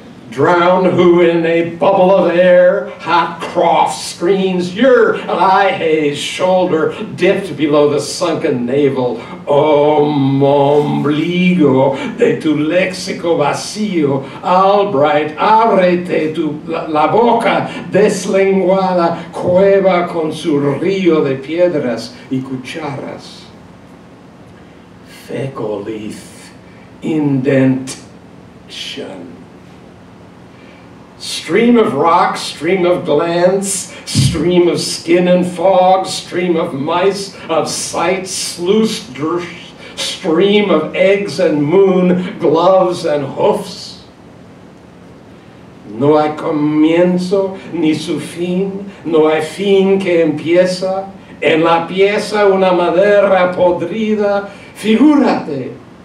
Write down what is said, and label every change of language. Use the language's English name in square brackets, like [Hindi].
[English] Drown who in a bubble of air, hot cross screens your lie-hay's shoulder, dipped below the sunken navel. [Spanish] Oh, m'ombligo de tu léxico vacío, Albright, ábrete tu la boca deslenguada, cueva con su río de piedras y cucharas. [English] Fecolith, indentation. Stream of rock, stream of glands, stream of skin and fog, stream of mice, of sight, sluice, stream of eggs and moon, gloves and hoofs. [Spanish] No hay comienzo ni su fin, no hay fin que empieza, en la pieza una madera podrida, figúrate.